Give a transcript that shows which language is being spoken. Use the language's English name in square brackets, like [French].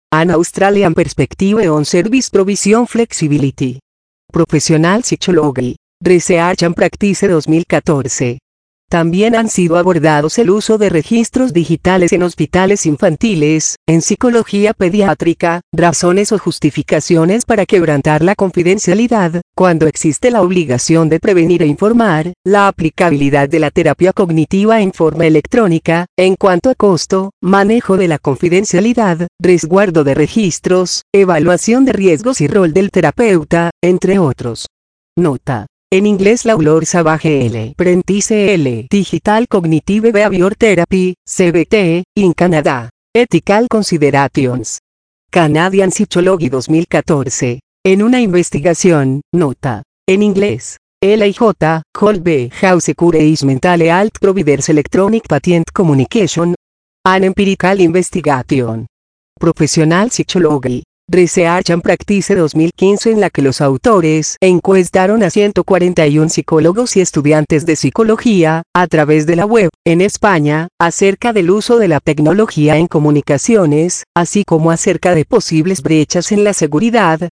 [English] An Australian Perspective on Service Provision Flexibility. Professional Psychology. Research and Practice 2014. [Spanish] También han sido abordados el uso de registros digitales en hospitales infantiles, en psicología pediátrica, razones o justificaciones para quebrantar la confidencialidad, cuando existe la obligación de prevenir e informar, la aplicabilidad de la terapia cognitiva en forma electrónica, en cuanto a costo, manejo de la confidencialidad, resguardo de registros, evaluación de riesgos y rol del terapeuta, entre otros. Nota. En inglés Lawlor Savage L. [English] Prentice L. Digital Cognitive Behavior Therapy, CBT, in Canada. Ethical Considerations. Canadian Psychology 2014. [Spanish] En una investigación, nota. [English] En inglés. L. J. Colbe House Cures Mental Health Providers Electronic Patient Communication. An Empirical Investigation. Professional Psychology. [Spanish] Research and Practice 2015, en la que los autores encuestaron a 141 psicólogos y estudiantes de psicología, a través de la web, en España, acerca del uso de la tecnología en comunicaciones, así como acerca de posibles brechas en la seguridad.